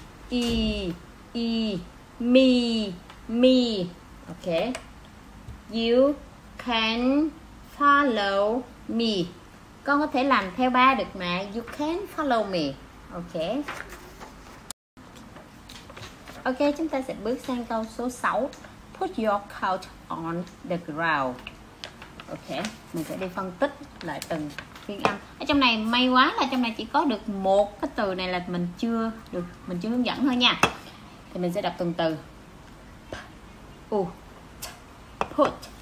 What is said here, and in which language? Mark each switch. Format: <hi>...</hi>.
<en>E. E. Me. Me. Ok. You can follow me.</en> <vi>Con có thể làm theo ba được mà.</vi> <en>You can follow me.</en> <vi>Ok. Ok, chúng ta sẽ bước sang câu số 6.</vi> <en>Put your coat on the ground.</en> <vi>Ok, mình sẽ đi phân tích lại từng phiên âm. Ở trong này may quá là trong này chỉ có được một cái từ này là mình chưa được, mình chưa hướng dẫn thôi nha. Thì mình sẽ đọc từng từ.</vi> <en>Put.</en>